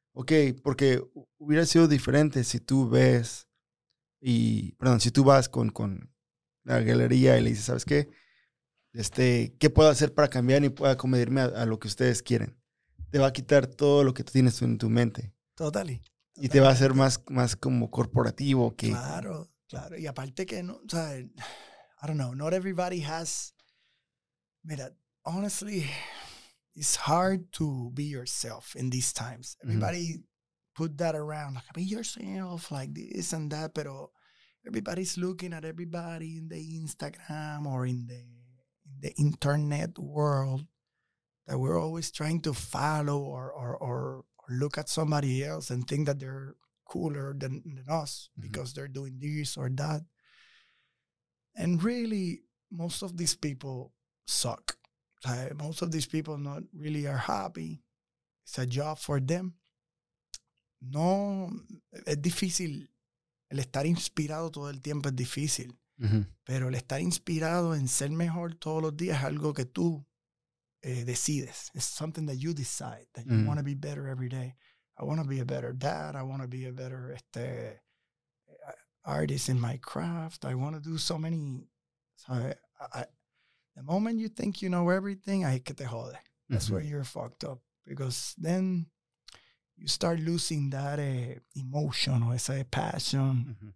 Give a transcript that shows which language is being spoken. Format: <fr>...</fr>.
<es>Okay, porque hubiera sido diferente si tú ves y, perdón, si tú vas con la galería y le dices, ¿sabes qué? ¿Qué puedo hacer para cambiar y pueda acomodarme a lo que ustedes quieren? Te va a quitar todo lo que tú tienes en tu mente</es> <en>Totally,</en> <es>y te va a hacer totalmente. más como corporativo que... Claro. Y aparte que no, o sea,</es> <en>I don't know, not everybody has,</en> <es>mira,</es> <en>honestly, it's hard to be yourself in these times. Everybody put that around, like, be yourself, like this and that, pero everybody's looking at everybody in the Instagram or in the internet world that we're always trying to follow or look at somebody else and think that they're cooler than us because they're doing this or that. And really, most of these people suck. Like, most of these people not really are happy. It's a job for them.</en> <es>No, es difícil. El estar inspirado todo el tiempo es difícil. Pero el estar inspirado en ser mejor todos los días es algo que tú decides.</es> <en>It's something that you decide, that you want to be better every day. I want to be a better dad. I want to be a better artist in my craft. I want to do so many. The moment you think you know everything,</en> <es>ahí que te jode.</es> <en>That's where you're fucked up. Because then you start losing that emotion or esa passion.</en>